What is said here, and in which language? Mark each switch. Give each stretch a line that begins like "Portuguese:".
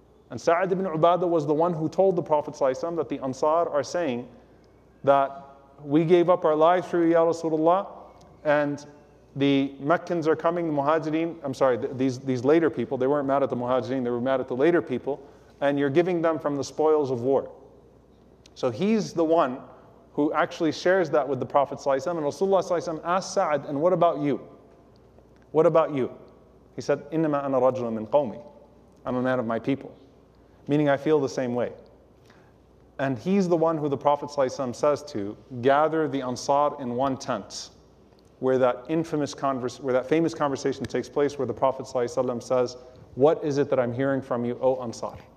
English: And Sa'd ibn Ubadah was the one who told the Prophet ﷺ that the Ansar are saying that we gave up our lives for you, Ya Rasulullah, and the Meccans are coming, the Muhajireen, I'm sorry, these later people, they weren't mad at the Muhajireen, they were mad at the later people, and you're giving them from the spoils of war. So he's the one who actually shares that with the Prophet ﷺ, and Rasulullah ﷺ asked Sa'd, and what about you? What about you? He said,
Arabic: إِنَّمَا أَنَا رَجُلٌ مِّنْ قَوْمِي.
English: I'm a man of my people. Meaning I feel the same way. And he's the one who the Prophet ﷺ says to gather the Ansar in one tent, where that famous conversation takes place, where the Prophet ﷺ says, what is it that I'm hearing from you, O Ansar?